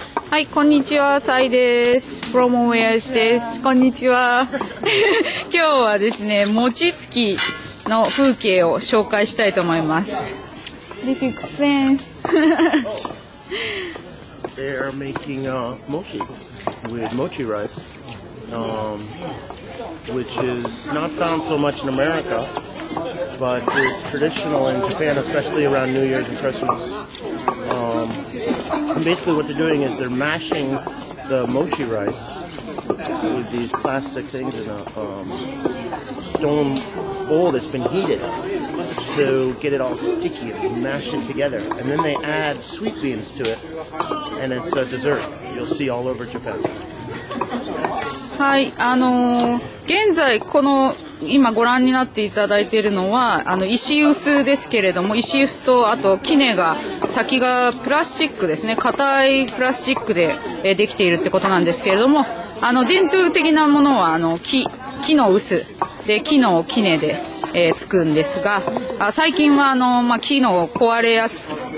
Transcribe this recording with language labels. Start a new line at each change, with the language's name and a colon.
Japanese: はい、こんにちは、サイです。プロモウェアシです。こんにちは今日はですね、餅つきの風景を紹介したいと思います。リキクスペン
English: They are making mochi with mochi rice which is not found so much in America but is traditional in Japan, especially around New Year's and Christmas. And basically what they're doing is they're mashing the mochi rice with these plastic things in a stone bowl that's been heated to get it all sticky and mash it together. And then they add sweet beans to it, and it's a dessert you'll see all over Japan.
Japanese: はい、現在この今ご覧になっていただいているのは石臼ですけれども、石臼とあと杵が先がプラスチックですね、硬いプラスチックでできているってことなんですけれども、伝統的なものは木の臼で、木の杵で、つくんですが、最近は木の壊れやす